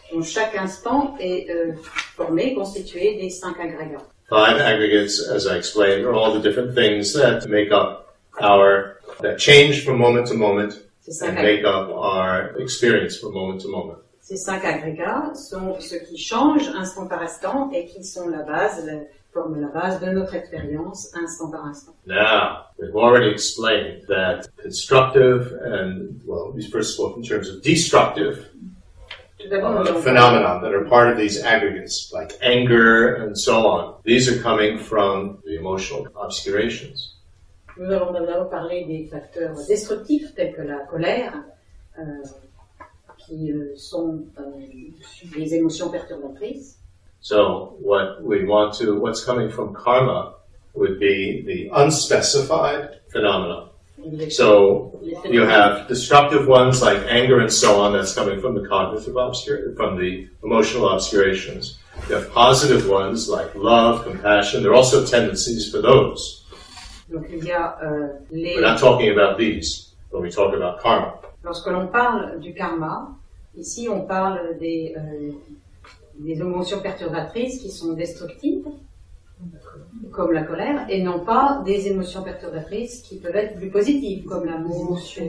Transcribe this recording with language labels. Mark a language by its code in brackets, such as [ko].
[fr] Donc chaque instant est formé, constitué des cinq agrégats. [en] Five aggregates, as I explained, are all the different things that make up our, that change from moment to moment, and make up our experience from moment to moment. [fr] Ces cinq agrégats sont ceux qui changent instant par instant et qui sont la base, forment la base de notre expérience instant par instant. [en] Now, we've already explained that constructive and, well, first of all, in terms of destructive phenomena that are part of these aggregates, like anger and so on, these are coming from the emotional obscurations. [fr] Nous allons d'abord parler des facteurs destructifs tels que la colère, qui sont des émotions perturbatrices. [en] So what we want to, what's coming from karma, would be the unspecified phenomena. So you have destructive ones like anger and so on that's coming from the cognitive from the emotional obscurations. You have positive ones like love, compassion. There are also tendencies for those. [fr] Donc il y a les. [en] We're not talking about these when we talk about karma. [fr] Lorsque l'on parle du karma. Ici, on parle des émotions perturbatrices qui sont destructives, comme la colère, et non pas des émotions perturbatrices qui peuvent être plus positives, comme l'amour.